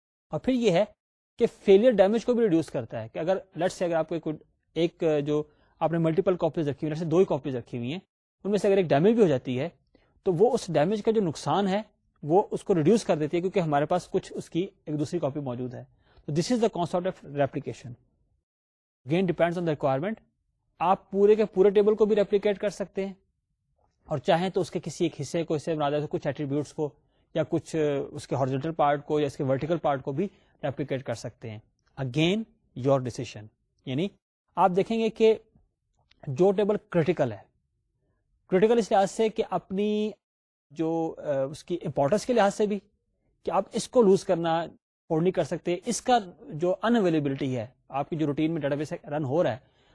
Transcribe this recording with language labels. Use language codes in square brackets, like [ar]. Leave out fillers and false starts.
[ur] اور پھر یہ ہے کہ فیلئر ڈیمیج کو بھی ریڈیوس کرتا ہے, کہ اگر لیٹس سے اگر آپ کو ایک جو آپ نے ملٹیپل کاپیز رکھی ہوئی, دو ہی کاپیز رکھی ہوئی ہیں, ان میں سے اگر ایک ڈیمیج بھی ہو جاتی ہے, تو وہ اس ڈیمیج کا جو نقصان ہے وہ اس کو ریڈیوس کر دیتی ہے, کیونکہ ہمارے پاس کچھ اس کی ایک دوسری کاپی موجود ہے. [en] تو this is the concept of replication. Again depends on the requirement. [ur] آپ پورے کے پورے ٹیبل کو بھی ریپلیکیٹ کر سکتے ہیں, اور چاہیں تو اس کے کسی ایک حصے کو, اسے بنا دیں کچھ ایٹریبیوٹس کو, یا کچھ اس کے ہارزنٹل پارٹ کو, یا اس کے ورٹیکل پارٹ کو بھی ریپلیکیٹ کر سکتے ہیں. [en] Again your decision. [ur] یعنی آپ دیکھیں گے کہ جو ٹیبل کریٹیکل ہے, کریٹیکل اس لحاظ سے کہ اپنی جو اس کی امپورٹنس کے لحاظ سے بھی, کہ آپ اس کو لوز کرنا اور نہیں کر سکتے, اس کا جو انویلیبلٹی ہے آپ کی جو روٹین میں ڈیٹا بیس رن ہو رہا ہے